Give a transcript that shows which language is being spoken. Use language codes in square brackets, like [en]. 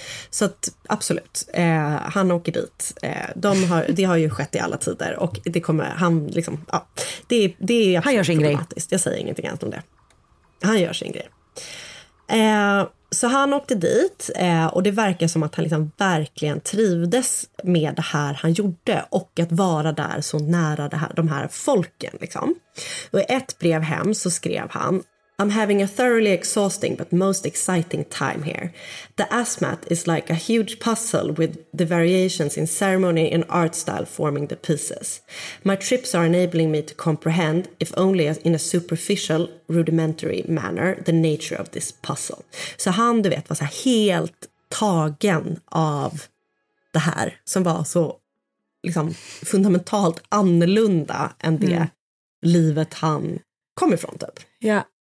[sv] Så att absolut, han åker dit. Det har ju skett i alla tider och det kommer han liksom, ja, det är han gör sin grej. Jag säger ingenting annat om det. Han gör sin grej. Så han åkte dit och det verkar som att han liksom verkligen trivdes med det här han gjorde och att vara där så nära det här, de här folken liksom. Och i ett brev hem så skrev han: [en] I'm having a thoroughly exhausting but most exciting time here. The Asmat is like a huge puzzle with the variations in ceremony and art style forming the pieces. My trips are enabling me to comprehend, if only in a superficial, rudimentary manner, the nature of this puzzle. [sv] Så han, du vet, var så helt tagen av det här som var så liksom fundamentalt annorlunda än det livet han kom ifrån, typ. [en] Yeah.